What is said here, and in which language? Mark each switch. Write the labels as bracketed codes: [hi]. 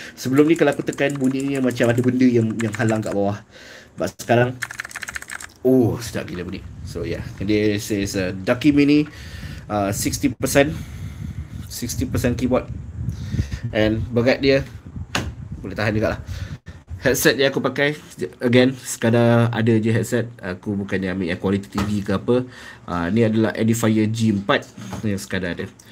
[ms] Sebelum ni kalau aku tekan bunyi ni macam ada benda yang halang kat bawah. But sekarang, oh, sedap gila bunyi. [en] So yeah, this is a Ducky Mini 60% keyboard. [ms] And berat dia, boleh tahan juga lah. Headset yang aku pakai, again, sekadar ada je headset. Aku bukannya ambil yang quality TV ke apa. Ni adalah Edifier G4 yang sekadar ada.